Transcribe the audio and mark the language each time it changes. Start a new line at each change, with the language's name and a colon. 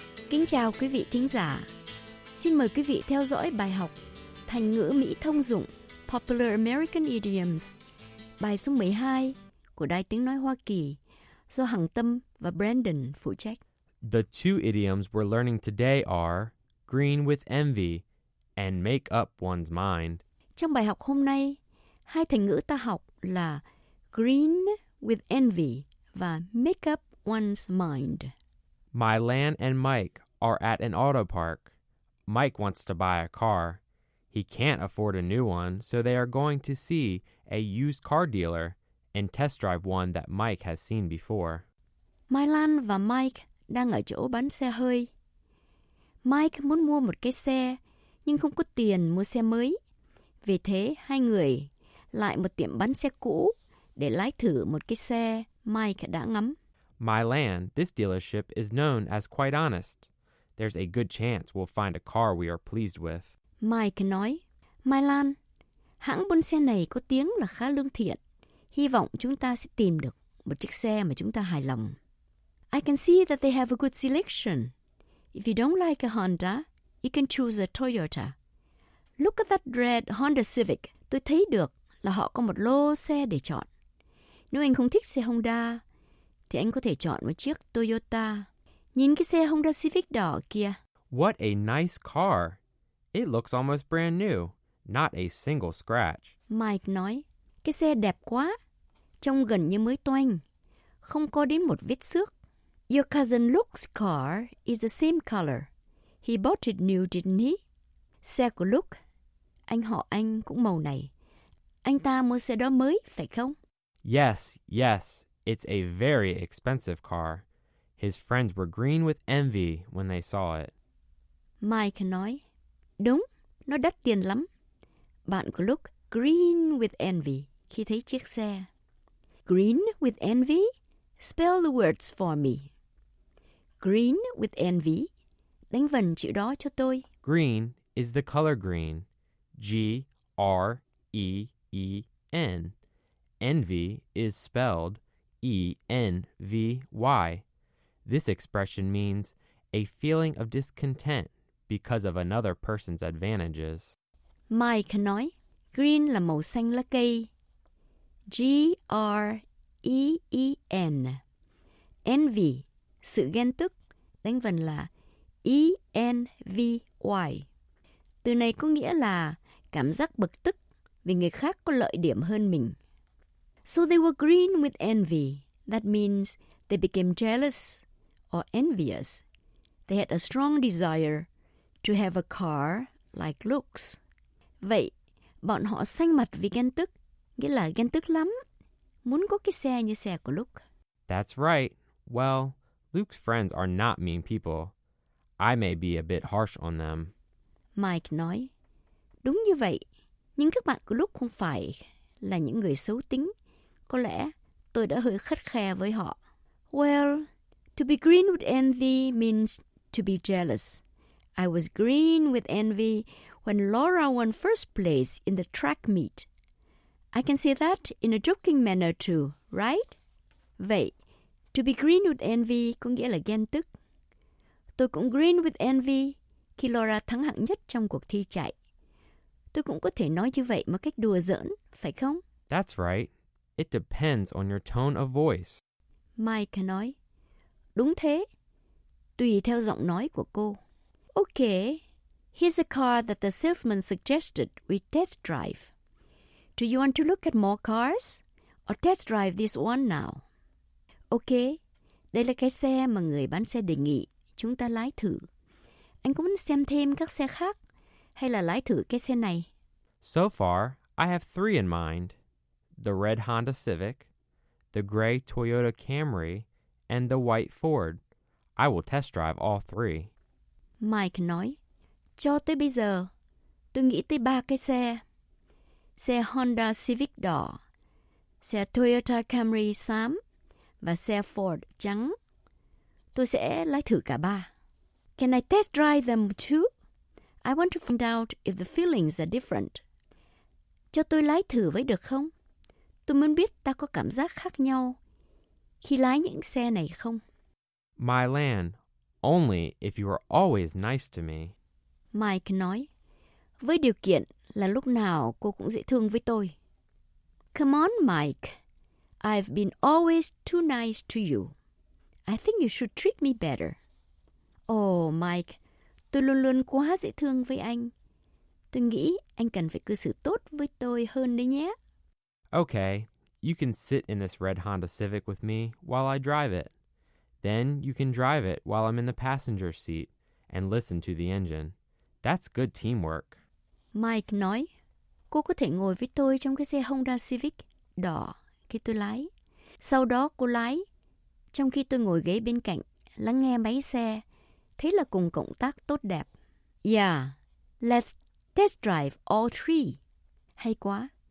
Vietnamese: Kính chào quý vị thính giả. Xin mời quý vị theo dõi bài học Thành ngữ Mỹ thông dụng
English: Popular American Idioms,
Vietnamese: bài số 12 của Đài Tiếng Nói Hoa Kỳ do Hằng Tâm và Brandon phụ trách.
English: The two idioms we're learning today are green with envy and make up one's mind.
Vietnamese: Trong bài học hôm nay, hai thành ngữ ta học là
English: green with envy
Vietnamese: và
English: make up one's mind. Mylan and Mike are at an auto park. Mike wants to buy a car. He can't afford a new one, so they are going to see a used car dealer and test drive one that Mike has seen before.
Vietnamese: Mylan và Mike đang ở chỗ bán xe hơi. Mike muốn mua một cái xe, nhưng không có tiền mua xe mới. Vì thế, hai người lại một tiệm bán xe cũ để lái thử một cái xe Mike đã ngắm.
English: Mylan, this dealership is known as quite honest. There's a good chance we'll find a car we are pleased with.
Vietnamese: Mike nói, Mylan, hãng buôn xe này có tiếng là khá lương thiện. Hy vọng chúng ta sẽ tìm được một chiếc xe mà chúng ta hài lòng.
English: I can see that they have a good selection. If you don't like a Honda, you can choose a Toyota. Look at that red Honda Civic.
Vietnamese: Tôi thấy được là họ có một lô xe để chọn. Nếu anh không thích xe Honda, thì anh có thể chọn một chiếc Toyota. Nhìn cái xe Honda Civic đỏ kia.
English: What a nice car. It looks almost brand new. Not a single scratch.
Vietnamese: Mike nói, cái xe đẹp quá. Trông gần như mới toanh. Không có đến một vết xước.
English: Your cousin Luke's car is the same color. He bought it new, didn't he?
Vietnamese: Xe của Luke, anh họ anh cũng màu này. Anh ta mua xe đó mới, phải không?
English: Yes, yes. It's a very expensive car. His friends were green with envy when they saw it.
Vietnamese: Mike nói, đúng, nó đắt tiền lắm. Bạn của Luke
English: green with envy
Vietnamese: khi thấy chiếc xe.
English: Green with envy? Spell the words for me. Green with envy.
Vietnamese: Đánh vần chữ đó cho tôi.
English: Green is the color green. G-R-E-E-N. Envy is spelled E-N-V-Y. This expression means a feeling of discontent because of another person's advantages.
Vietnamese: Mike nói, green là màu xanh lá cây. G-R-E-E-N. Envy, sự ghen tức, đánh vần là E-N-V-Y. Từ này có nghĩa là cảm giác bực tức vì người khác có lợi điểm hơn mình.
English: So they were green with envy. That means they became jealous or envious. They had a strong desire to have a car like Luke's.
Vietnamese: Vậy, bọn họ xanh mặt vì ghen tức, nghĩa là ghen tức lắm, muốn có cái xe như xe của Luke.
English: That's right. Well, Luke's friends are not mean people. I may be a bit harsh on them.
Vietnamese: Mike nói, đúng như vậy, nhưng các bạn của Luke không phải là những người xấu tính. Có lẽ tôi đã hơi khắt khe với họ.
English: Well, to be green with envy means to be jealous. I was green with envy when Laura won first place in the track meet. I can say that in a joking manner too, right?
Vietnamese: Vậy,
English: to be green with envy
Vietnamese: có nghĩa là ghen tức. Tôi cũng
English: green with envy
Vietnamese: khi Laura thắng hạng nhất trong cuộc thi chạy. Tôi cũng có thể nói như vậy một cách đùa giỡn, phải không?
English: That's right. It depends on your tone of voice.
Vietnamese: Mike nói, Đúng thế. Tùy theo giọng nói của cô.
English: Okay. Here's a car that the salesman suggested we test drive. Do you want to look at more cars? Or test drive this one now? Okay.
Vietnamese: Đây là cái xe mà người bán xe đề nghị chúng ta lái thử. Anh có muốn xem thêm các xe khác hay là lái thử cái xe này?
English: So far, I have three in mind. The red Honda Civic, the gray Toyota Camry, and the white Ford. I will test drive all three.
Vietnamese: Mike nói, cho tới bây giờ, tôi nghĩ tới ba cái xe. Xe Honda Civic đỏ, xe Toyota Camry xám và xe Ford trắng. Tôi sẽ lái thử cả ba.
English: Can I test drive them too? I want to find out if the feelings are different.
Vietnamese: Cho tôi lái thử với được không? Tôi muốn biết ta có cảm giác khác nhau khi lái những xe này không?
English: My Lan, only if you are always nice to me.
Vietnamese: Mike nói, với điều kiện là lúc nào cô cũng dễ thương với tôi.
English: Come on, Mike. I've been always too nice to you. I think you should treat me better. Oh, Mike,
Vietnamese: tôi luôn luôn quá dễ thương với anh. Tôi nghĩ anh cần phải cư xử tốt với tôi hơn đấy nhé.
English: Okay, you can sit in this red Honda Civic with me while I drive it. Then you can drive it while I'm in the passenger seat and listen to the engine. That's good teamwork.
Vietnamese: Mike nói, cô có thể ngồi với tôi trong cái xe Honda Civic đỏ khi tôi lái. Sau đó cô lái, trong khi tôi ngồi ghế bên cạnh, lắng nghe máy xe. Thế là cùng cộng tác tốt đẹp.
English: Yeah, let's test drive all three.
Vietnamese: Hay quá.